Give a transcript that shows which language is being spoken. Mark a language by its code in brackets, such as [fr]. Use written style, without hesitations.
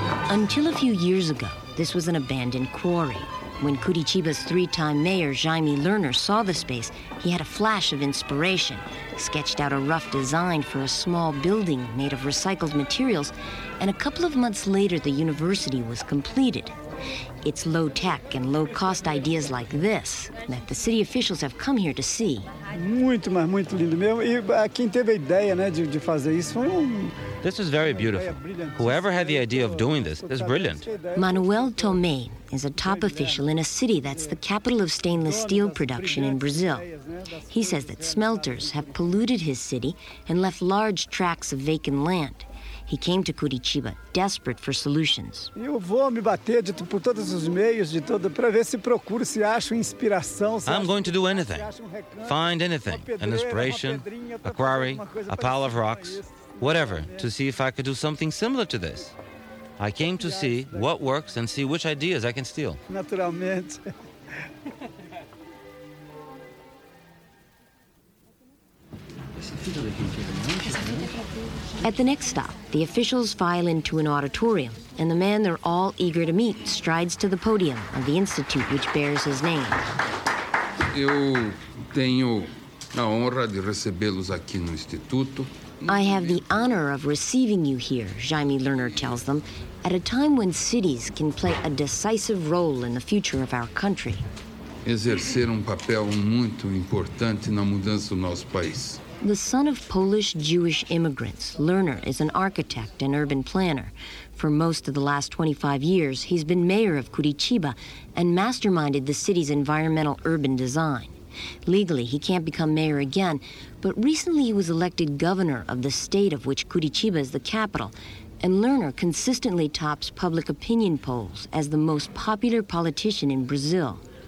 [en] Until a few years ago, this was an abandoned quarry. When Curitiba's three-time mayor, Jaime Lerner, saw the space, he had a flash of inspiration, sketched out a rough design for a small building made of recycled materials, and a couple of months later, the university was completed. It's low-tech and low-cost ideas like this that the city officials have come here to see. [pt] Muito, mas muito lindo mesmo. E quem teve a ideia, né, de fazer isso foi um... [en] This is very beautiful. Whoever had the idea of doing this is brilliant. Manuel Tomé is a top official in a city that's the capital of stainless steel production in Brazil. He says that smelters have polluted his city and left large tracts of vacant land. He came to Curitiba desperate for solutions. I'm going to do anything, find anything, an inspiration, a quarry, a pile of rocks, whatever, to see if I could do something similar to this. I came to see what works and see which ideas I can steal. [pt] Naturalmente. [en] At the next stop, the officials file into an auditorium, and the man they're all eager to meet strides to the podium of the institute which bears his name. [pt] Eu tenho a honra de recebê-los aqui no instituto. [en] I have the honor of receiving you here, Jaime Lerner tells them, at a time when cities can play a decisive role in the future of our country. [pt] Exercer papel muito importante na mudança do nosso país. [en] The son of Polish-Jewish immigrants, Lerner is an architect and urban planner. For most of the last 25 years, he's been mayor of Curitiba and masterminded the city's environmental urban design. Legally, he can't become mayor again, but recently he was elected governor of the state of which Curitiba is the capital, and Lerner consistently tops public opinion polls as the most popular politician in Brazil.